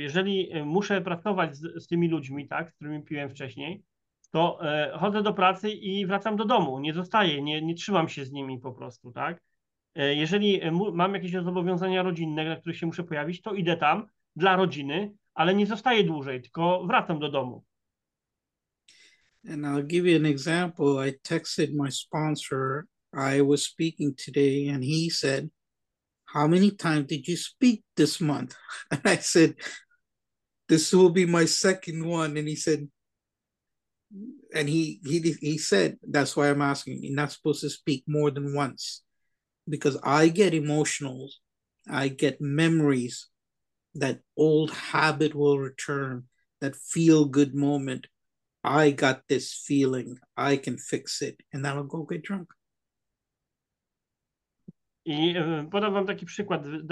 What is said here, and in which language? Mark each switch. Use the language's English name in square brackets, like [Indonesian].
[Polish] Jeżeli muszę pracować z tymi ludźmi, tak, z którymi piłem wcześniej, to chodzę do pracy i wracam do domu. Nie zostaję, nie trzymam się z nimi po prostu, tak? Jeżeli mam jakieś zobowiązania rodzinne, na których się muszę pojawić, to idę tam dla rodziny, ale nie zostaję dłużej, tylko wracam do domu. [English] And I'll give you an example. I texted my sponsor. I was speaking today and he said, how many times did you speak this month? And I said, this will be my second one. And he said, he said, that's why I'm asking. You're not supposed to speak more than once. Because I get emotional. I get memories. That old habit will return. That feel-good moment. I got this feeling. I can fix it. And then I'll go get drunk. [Polish] I podam wam taki przykład.